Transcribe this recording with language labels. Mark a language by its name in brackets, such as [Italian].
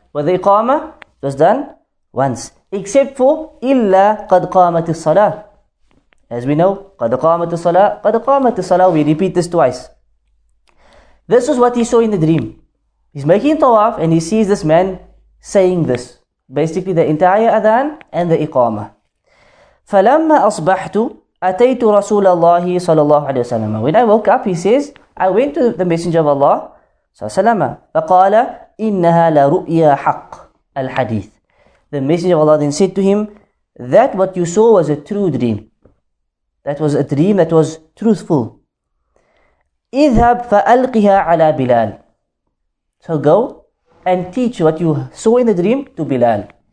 [English] But the iqama was done once. Except for illa qad qamati salah. As we know, qad qamati salah, qad qamati salah. We repeat this twice. This is what he saw in the dream. He's making tawaf and he sees this man saying this. Basically the entire adhan and the iqama. [Arabic] فلما أصبحت أتيت رسول الله صلى الله عليه وسلم. [English] When I woke up, he says, I went to the Messenger of Allah [Arabic] صلى الله عليه وسلم. فقال إنها لرؤيا حق الحديث. [English] The Messenger of Allah then said to him, that what you saw was a true dream. That was a dream that was truthful. [Arabic] اذهب فألقها على بلال. [English] So go and teach what you saw in the dream to Bilal.